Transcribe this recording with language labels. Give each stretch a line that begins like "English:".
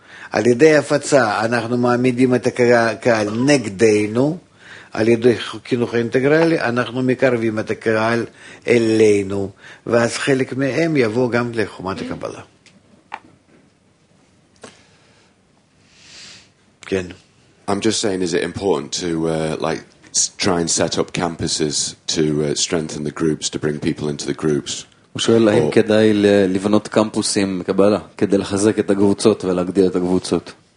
Hebrew: על ידי הפצה אנחנו מעמידים את הקהל נגדנו, על ידי חינוך האינטגרלי אנחנו מקרבים את הקהל אלינו, ואז חלק מהם יבוא גם לחומת הקבלה. כן.
English: I'm just saying, is it important to try and set up campuses to strengthen the groups, to bring people into the groups?
Hebrew: הוא שואל להם כדאי לבנות קמפוסים קבלה, כדי לחזק את הקבוצות ולהגדיל את הקבוצות.